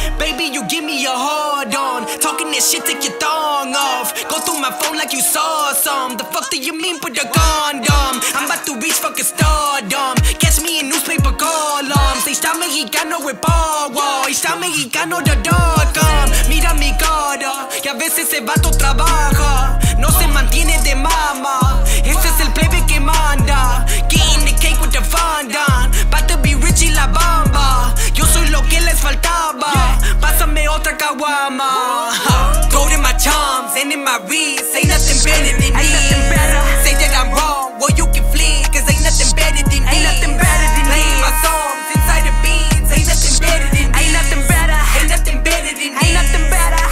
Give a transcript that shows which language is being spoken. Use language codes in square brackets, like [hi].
[en] Baby, you give me a hard on, talking that shit, take your thong off. Go through my phone like you saw some. The fuck do you mean put a condom? I'm about to reach fucking stardom. Catch me in newspaper columns. HTOWN MEXICANO with power. HTOWN MEXICANO the dog. [es] Mira mi cara, y a veces ese vato trabaja. No se mantiene de mama. Este es el plebe que manda. [en] Getting the cake with the fondant. About to be rich [es] y la bomba. Yo soy lo que les faltaba. Pásame otra caguama. [en] Gold in my charms and in my wrist. Ain't nothing better than this. Say that I'm wrong, well you can flip. Cause ain't nothing better than this. Ain't nothing better than this. Playing my songs inside the beats. Ain't nothing better than this. Ain't nothing better. Ain't nothing better than this. Ain't nothing better.